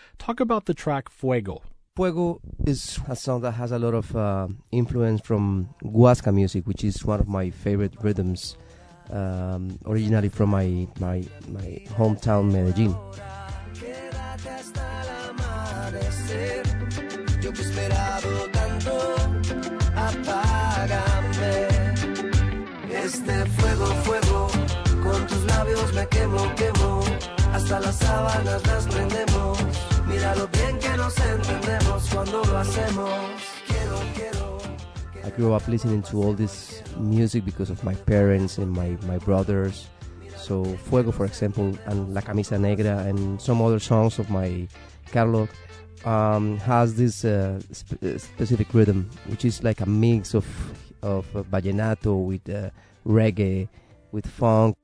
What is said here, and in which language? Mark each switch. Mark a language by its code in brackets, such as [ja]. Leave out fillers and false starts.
[en] Talk about the track Fuego. Fuego is a song that has a lot of influence from Guasca music, which is one of my favorite rhythms, originally from my hometown, Medellin. [es] Yo que he esperado tanto, apágame este fuego, fuego. Con tus labios me quemo, quemo. Hasta las sábanas las prendemos. Mira lo bien que nos entendemos cuando lo hacemos. [en] Quiero. I grew up listening to all this music because of my parents and my brothers. So Fuego, for example, and La Camisa Negra and some other songs of my catalog has this specific rhythm, which is like a mix of vallenato with reggae, with funk.